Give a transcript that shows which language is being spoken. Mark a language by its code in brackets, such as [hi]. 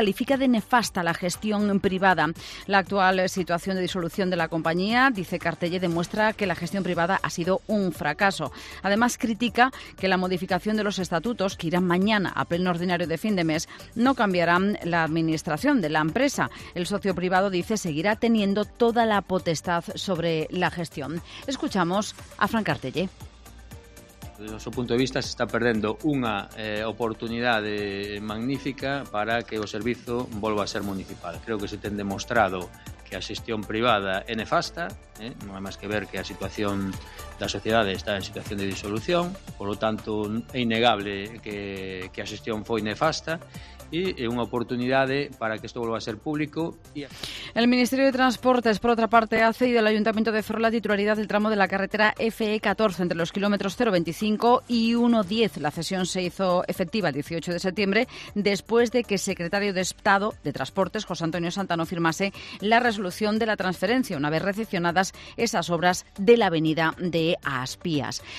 [es] Califica de nefasta la gestión privada. La actual situación de disolución de la compañía, dice Cartelle, demuestra que la gestión privada ha sido un fracaso. Además, critica que la modificación de los estatutos, que irán mañana a pleno ordinario de fin de mes, no cambiarán la administración de la empresa. El socio privado, dice, seguirá teniendo toda la potestad sobre la gestión. Escuchamos a Fran Cartelle. [gl] Desde o seu punto de vista, se está perdendo unha oportunidade magnífica para que o servizo volva a ser municipal. Creo que se ten demostrado que a xestión privada é nefasta, non hai máis que ver que a situación da sociedade está en situación de disolución, polo tanto, é innegable que a xestión foi nefasta. E unha oportunidade para que isto volva a ser público. [es] El Ministerio de Transportes, [gl] por outra parte, [es] ha cedido al Ayuntamiento de Ferrol la titularidad del tramo de la carretera FE14 entre los kilómetros 0.25 y 1.10. La cesión se hizo efectiva el 18 de septiembre después de que el secretario de Estado de Transportes, José Antonio Santano, firmase la resolución de la transferencia una vez recepcionadas esas obras de la avenida de Aspías.